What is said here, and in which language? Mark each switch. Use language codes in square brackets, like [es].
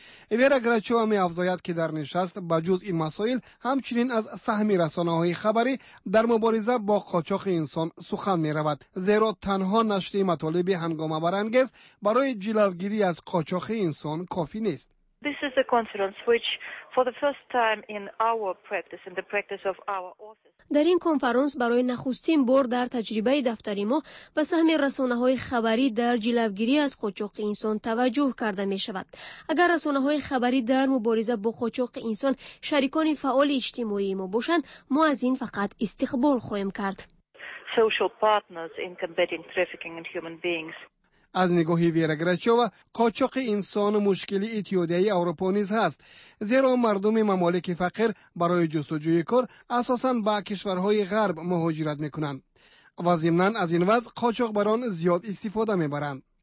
[fa] ویرا گراچوفا می افزاید که در نشست به جز این مسائل همچنین از سهم رسانه‌های خبری در مبارزه با قاچاق انسان سخن می‌رود، زیرا تنها نشر مطالب هنگام‌آور برانگیز برای جلوگیری از قاچاق انسان کافی نیست. [en] This is a conference which for the first time in our practice, in the practice of our office. [fa] در این کنفرانس برای نخستین بار در تجربه دفتری ما به سهم رسانه‌های خبری در جلوگیری از قاچاق انسان توجه کرده می‌شود. اگر رسانه‌های خبری در مبارزه با قاچاق انسان شریکان فعال اجتماعی ما باشند، ما از این فقط استقبال خواهیم کرد. [en] Social partners in combating trafficking in human beings. [fa] از نگاه ویرا گراچوا، قاچاق انسان مشکلی اتحادیه اروپا نیز هست، زیرا مردم ممالک فقیر برای جستجوی کار اساساً به کشورهای غرب مهاجرت میکنند و ضمناً از این وضع قاچاق بران زیاد استفاده میبرند.